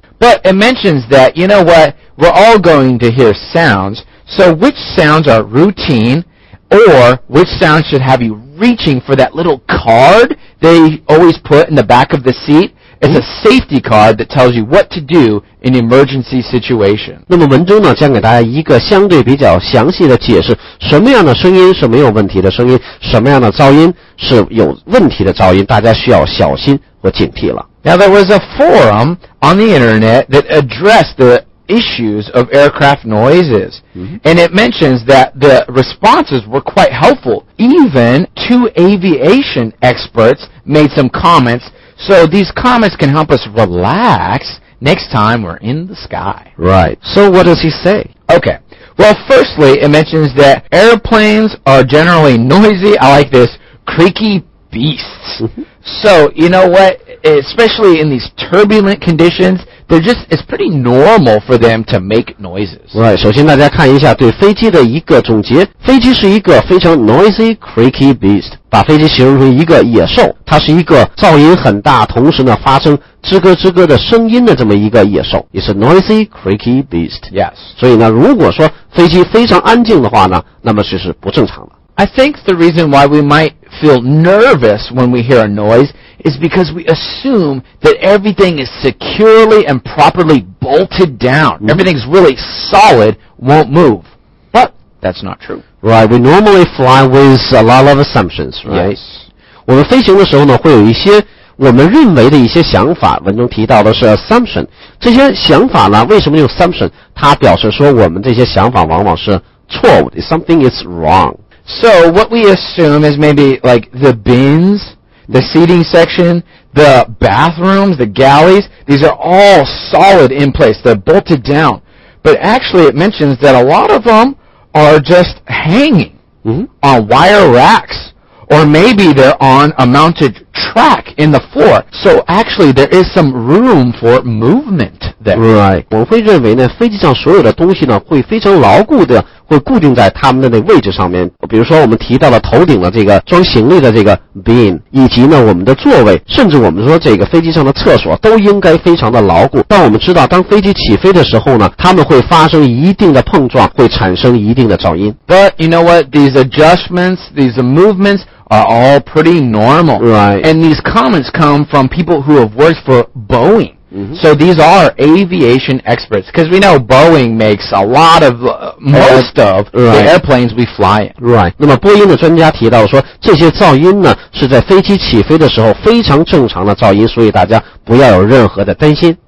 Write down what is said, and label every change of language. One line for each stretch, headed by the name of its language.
English: But it mentions that, you know what, we're all going to hear sounds, so which sounds are routine, or which sounds should have you reaching for that little card they always put in the back of the seat? It's a safety card that tells you what to do in emergency situation.
Chinese: 那么文中呢将给大家一个相对比较详细的解释，什么样的声音是没有问题的声音，什么样的噪音是有问题的噪音，大家需要小心和警惕了。
English: Now there was a forum on the internet that addressed the issues of aircraft noises. And it mentions that the responses were quite helpful. Even two aviation experts made some comments. So these comments can help us relax next time we're in the sky. Right. So what does he say? Okay. Well, firstly, it mentions that airplanes are generally noisy. I like this. Creaky beasts. So, you know what? Especially in these turbulent conditions, they're just, it's pretty normal for them to make noises. Right.
Chinese: 首先大家看一下对飞机的一个总结。飞机是一个非常
English: noisy, creaky beast.
Chinese: 把飞机形容成一个野兽，它是一个噪音很大，同时呢发生吱咯吱咯的声音的这么一个野兽。
English: It's a noisy, creaky beast. Yes.
Chinese: 所以呢，如果说飞机非常安静的话呢，那么就是不正常的。
English: I think the reason why we might feel nervous when we hear a noise is because we assume that everything is securely and properly bolted down. Everything's really solid, won't move. But that's not true. Right, we normally fly with a lot of assumptions, right? Yes.
Chinese: 我们飞行的时候呢会有一些我们认为的一些想法，文中提到的是 assumption。这些想法呢为什么用 assumption? 它表示说我们这些想法往往是错误的。
English: Something is wrong. So, what we assume is maybe like the bins, the seating section, the bathrooms, the galleys, these are all solid in place, they're bolted down. But actually, it mentions that a lot of them are just hanging on wire racks, or maybe they're on a mounted track in the floor. So actually, there is some room for movement there. Right.
Chinese: 我会认为呢，飞机上所有的东西呢，会非常牢固的，会固定在他们的那位置上面。比如说，我们提到了头顶的这个装行李的这个 bin， 以及呢我们的座位，甚至我们说这个飞机上的厕所，都应该非常的牢固。但我们知道，当飞机起飞的时候呢，他们会发生一定的碰撞，会产生一定的噪音。
English: But you know what? These adjustments, these movements. Are all pretty normal. Right. And these comments come from people who have worked for Boeing. Mm-hmm. So these are aviation experts. Because we know Boeing makes a lot of, most of the airplanes we fly in. Right.
Chinese: 那么波音的专家提到说，这些噪音呢，是在飞机起飞的时候非常正常的噪音，所以大家不要有任何的担心。